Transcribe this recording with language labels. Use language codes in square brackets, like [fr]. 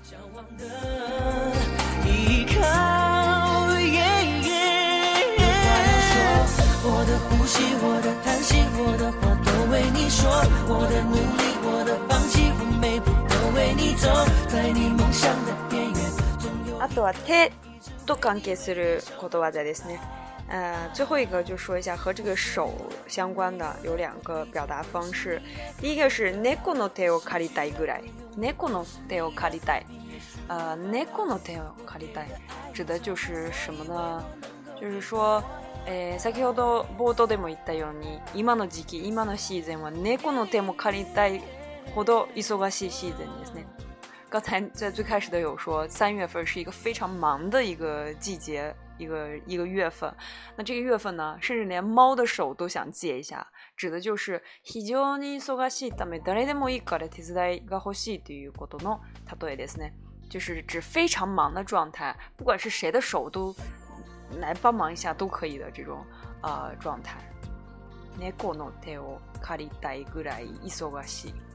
[zh] 我的呼吸，我的叹息，我的话都为你说，我的努力，我的放弃，我每步都为你走，在你梦想的边缘。 [ja] あとは手と関係することわざですね。 [zh] 最后一个就说一下和这个手相关的有两个表达方式。第一个是 [ja] 猫の手を借りたいぐらい。猫の手を借りたい。猫の手を借りたい [zh] 指的就是什么呢？就是说， [ja] 先ほど冒頭でも言ったように、今の時期、今のシーズンは猫の手も借りたいほど忙しいシーズンですね。 [zh] 刚才在最开始都有说，三月份是一个非常忙的一个季节，一个月份。那这个月份呢，甚至连猫的手都想借一下，指的就是 [ja] 非常に忙しいため誰でもいいから手伝いが欲しいということの例えですね。 [zh] 就是指非常忙的状态，不管是谁的手都来帮忙一下都可以的这种状态。 [ja] 猫の手を借りたいぐらい忙しい。